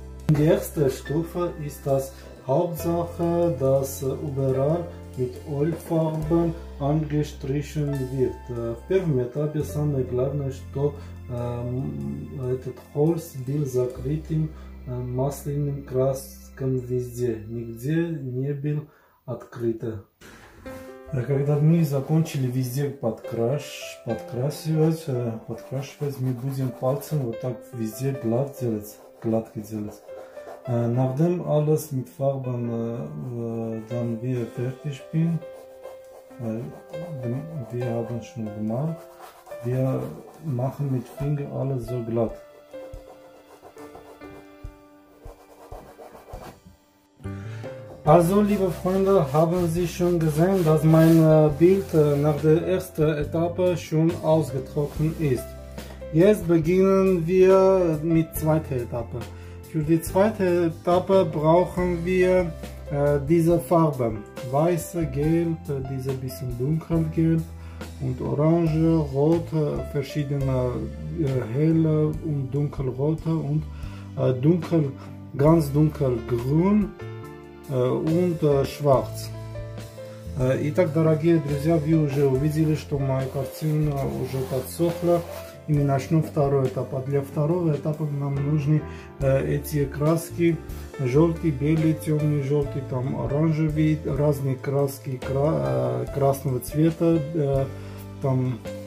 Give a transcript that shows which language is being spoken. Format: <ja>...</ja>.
<de>Die erste Stufe ist das Hauptsache, dass überall mit Ölfarben angestrichen wird.</de> <ru>В первом этапе самое главное, что этот холст был закрыт масляным краском везде. Нигде не был открыт. Когда мы закончили везде подкрашивать, мы будем пальцем вот так везде гладко делать.</ru> <de>Nachdem alles mit Farben dann wir fertig bin, wir haben schon gemacht, wir machen mit Finger alles so glatt. Also, liebe Freunde, haben Sie schon gesehen, dass mein Bild nach der ersten Etappe schon ausgetrocknet ist. Jetzt beginnen wir mit der zweiten Etappe. Für die zweite Etappe brauchen wir diese Farben. Weiße, Gelb, diese bisschen dunkelgelb und Orange, Rot, verschiedene helle und dunkelrote und dunkel, ganz dunkelgrün und schwarz.</de> <ru>Итак, дорогие друзья, вы уже увидели, что моя картина уже подсохла. И мы начнем второй этап. А для второго этапа нам нужны эти краски. Желтый, белый, темный, желтый, там оранжевый, разные краски красного цвета. Там</ru>